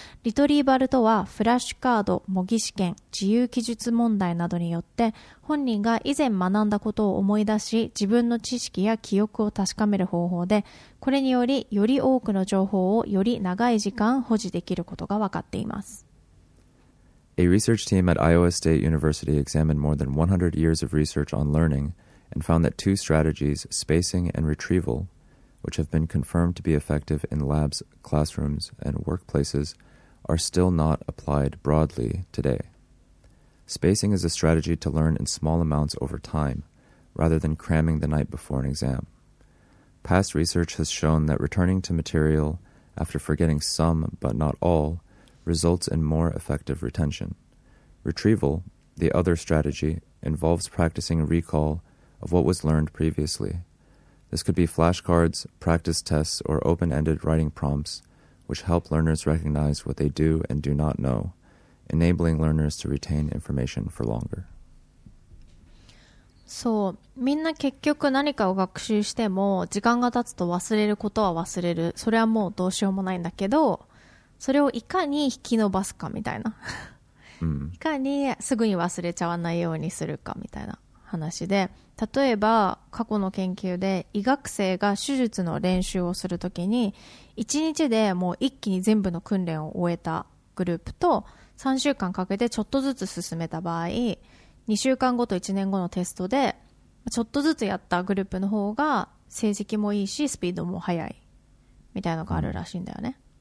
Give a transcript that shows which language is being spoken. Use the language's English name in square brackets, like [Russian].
[Japanese] リトリーバルとは、フラッシュカード、模擬試験、自由記述問題などによって本人が以前学んだことを思い出し、自分の知識や記憶を確かめる方法で、これによりより多くの情報をより長い時間保持できることが分かっています。 [English] A research team at Iowa State University examined more than 100 years of research on learning and found that two strategies, spacing and retrieval, which have been confirmed to be effective in labs, classrooms, and workplaces, are still not applied broadly today. Spacing is a strategy to learn in small amounts over time, rather than cramming the night before an exam. Past research has shown that returning to material after forgetting some but not all results in more effective retention. Retrieval, the other strategy, involves practicing recall of what was learned previously. This could be flashcards, practice tests, or open-ended writing prompts, which help learners recognize what they do and do not know, enabling learners to retain information for longer. [Japanese] そう、みんな結局何かを学習しても時間が経つと忘れることは忘れる。それはもうどうしようもないんだけど、それをいかに引き伸ばすかみたいな、いかにすぐに忘れちゃわないようにするかみたいな話で、例えば過去の研究で医学生が手術の練習をするときに1日でもう一気に全部の訓練を終えたグループと、3週間かけてちょっとずつ進めた場合、2週間後と1年後のテストでちょっとずつやったグループの方が成績もいいしスピードも速いみたいなのがあるらしいんだよね。